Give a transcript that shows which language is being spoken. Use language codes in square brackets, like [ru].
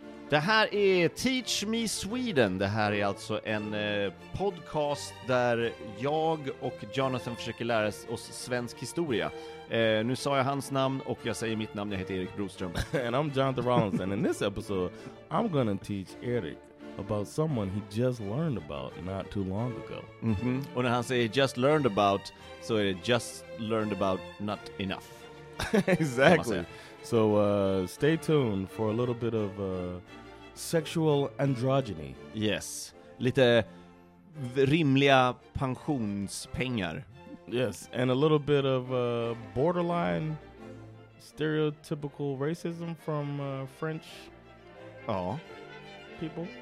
[sv] Det här är Teach Me Sweden. Det här är alltså en podcast där jag och Jonathan försöker lära oss svensk historia. Nu sa jag hans namn och jag säger mitt namn. Jag heter Erik Broström. [en] And I'm Jonathan Rollinson. In this episode, I'm gonna teach Erik about someone he just learned about not too long ago. Mm-hmm. [sv] Och när han säger [en] just learned about, [sv] så är det just learned about not enough. [en] Exactly. So stay tuned for a little bit of sexual androgyny. [sv] Yes. Lite rimliga pensionspengar. [en] Yes, and a little bit of borderline stereotypical racism from French people.